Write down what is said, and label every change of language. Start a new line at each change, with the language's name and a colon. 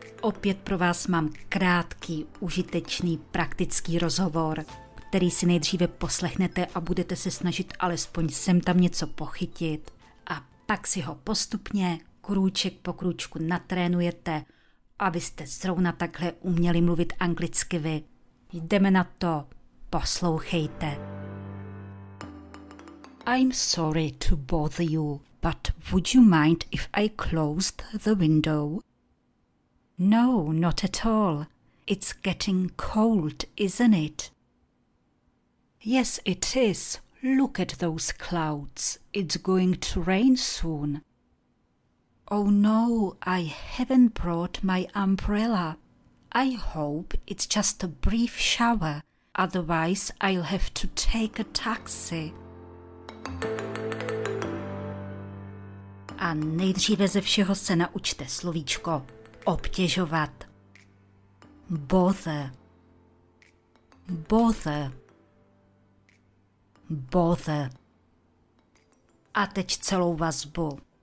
Czech: Opět pro vás mám krátký, užitečný, praktický rozhovor, který si nejdříve poslechnete a budete se snažit alespoň sem tam něco pochytit. A pak si ho postupně, krůček po krůčku natrénujete, abyste zrovna takhle uměli mluvit anglicky vy. Jdeme na to. Poslouchejte.
English: I'm sorry to bother you, but would you mind if I closed the window? No, not at all. It's getting cold, isn't it? Yes, it is. Look at those clouds. It's going to rain soon. Oh no, I haven't brought my umbrella. I hope it's just a brief shower. Otherwise, I'll have to take a taxi.
Czech: A nejdříve ze všeho se naučte slovíčko obtěžovat.
English: Bother. Bother. Bother.
Czech: A teď celou vazbu.